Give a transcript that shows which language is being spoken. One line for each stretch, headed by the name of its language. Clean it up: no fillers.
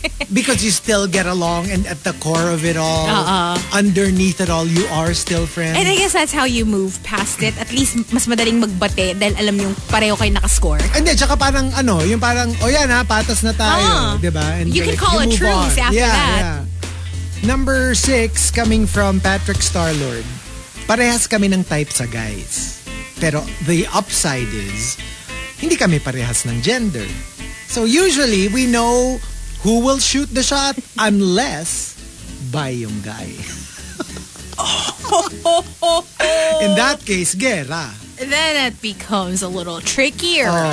English: Because you still get along, and at the core of it all, underneath it all, you are still friends. And I guess that's how you move past it. At least, mas madaling magbate dahil alam yung pareho kayo nakascore.
Filipino: And then, tsaka parang ano, yung parang, oh yan ha, patas na tayo. Diba? And
English: you can like, call you a truce on. After yeah, that. Yeah. Number six, coming from Patrick Starlord.
Filipino: Parehas kami ng type sa guys. Pero the upside is, hindi kami parehas ng gender.
English: So usually, we know who will shoot the shot unless by yung guy.
Filipino: In that case, gera.
English: Then it becomes a little trickier.